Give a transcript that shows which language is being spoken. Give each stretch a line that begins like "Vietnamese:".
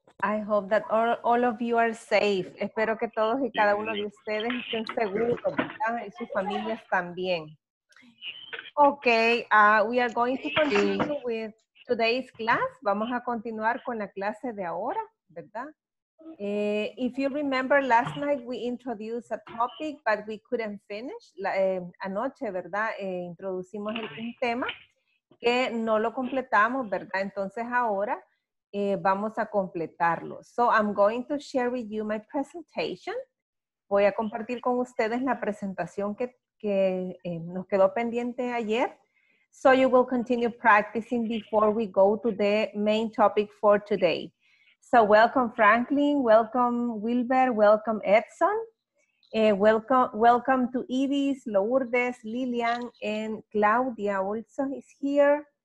English: I hope that all of you are safe.
Spanish: Espero que todos y cada uno de ustedes estén seguros, ¿verdad? Y sus familias también.
English: Okay, we are going to continue with today's class.
Spanish: Vamos a continuar con la clase de ahora, ¿verdad?
English: If you remember, last night we introduced a topic, but we couldn't finish.
Spanish: Anoche, ¿verdad? Introducimos un tema que no lo completamos, ¿verdad? Entonces ahora vamos a completarlo.
English: So I'm going to share with you my presentation.
Spanish: Voy a compartir con ustedes la presentación que nos quedó pendiente ayer.
English: So you will continue practicing before we go to the main topic for today. So welcome Franklin, welcome Wilber, welcome Edson, welcome to Iris, Lourdes, Lilian, and Claudia also is here.